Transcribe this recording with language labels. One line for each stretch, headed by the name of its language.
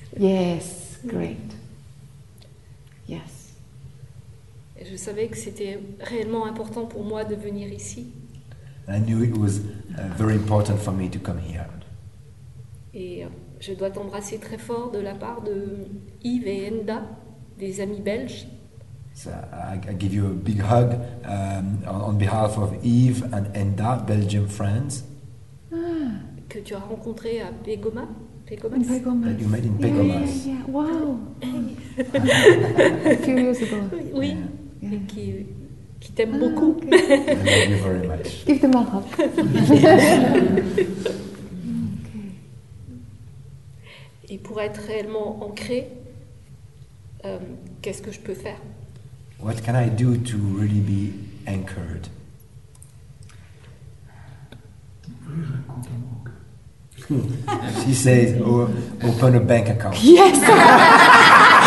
English: Yes. Great. Yes.
French: Et je savais que c'était réellement important pour moi de venir ici.
English: I knew it was very important for me to come here.
French: Et je dois t'embrasser très fort de la part de Yves et Enda, des amis belges.
English: So I give you a big hug on behalf of Yves and Enda, Belgian friends.
French: Ah. Que tu as rencontré à Pégoma. Pégomas. Pégomas.
English: That you met in Pégomas. Yeah, yeah, yeah. Wow. A few years ago.
French: Oui.
English: Yeah.
French: Yeah. Et qui t'aime beaucoup.
English: Okay. I love you very much. Give them a hug. Okay.
French: Et pour être réellement ancré, qu'est-ce que je peux faire?
English: What can I do to really be anchored? She says, open a bank account. Yes!